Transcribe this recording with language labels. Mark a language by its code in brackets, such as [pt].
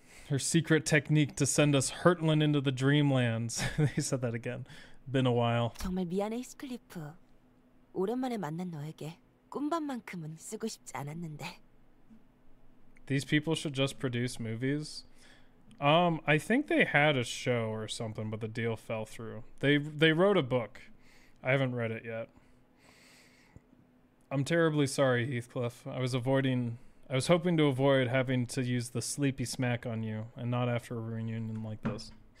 [en] Her secret technique to send us hurtling into the dreamlands. They said that again. Been a while. [ko] 정말 미안해, 히스클리프. 오랜만에 만난 너에게 꿈밤만큼은 쓰고 싶지 않았는데. [en] These people should just produce movies. I think they had a show or something, but the deal fell through. They wrote a book, I haven't read it yet. I'm terribly sorry, Heathcliff. I was hoping to avoid having to use the sleepy smack on you, and not after a reunion like this.